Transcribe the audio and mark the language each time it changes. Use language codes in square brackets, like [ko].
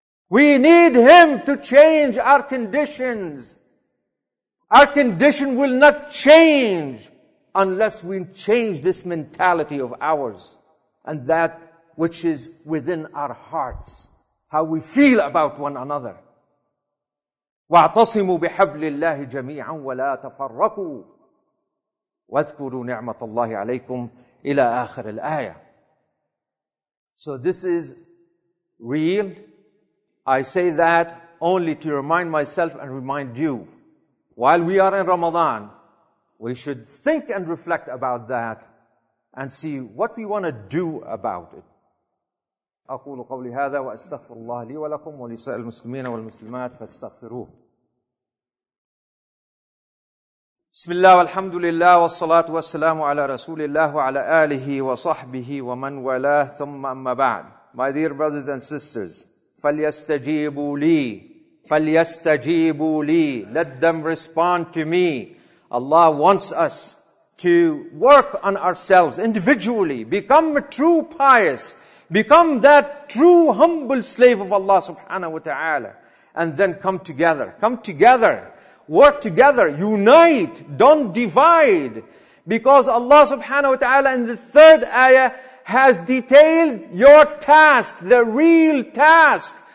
[en] We need Him to change our conditions. Our condition will not change unless we change this mentality of ours and that which is within our hearts, how we feel about one another. [ar] وَاعْتَصِمُوا بِحَبْلِ اللَّهِ جَمِيعًا وَلَا تَفَرَّقُوا وَاذْكُرُوا نِعْمَةَ اللَّهِ عَلَيْكُمْ إِلَىٰ آخِرِ الْآيَةِ. [en] So this is real. I say that only to remind myself and remind you. While we are in Ramadan, we should think and reflect about that and see what we want to do about it. [ar] أقول قولي هذا وأستغفر الله لي ولكم ولسائر المسلمين والمسلمات فاستغفروه. بسم الله والحمد لله والصلاة والسلام على رسول الله وعلى آله وصحبه ومن والاه ثم أما بعد. [en] My dear brothers and sisters, [ar] فليستجيبوا لي, فليستجيبوا لي. [en] Let them respond to me. Allah wants us to work on ourselves individually, become a true pious, become that true humble slave of Allah subhanahu wa ta'ala, and then come together, work together, unite, don't divide, because Allah subhanahu wa ta'ala in the third ayah has detailed your task, the real task.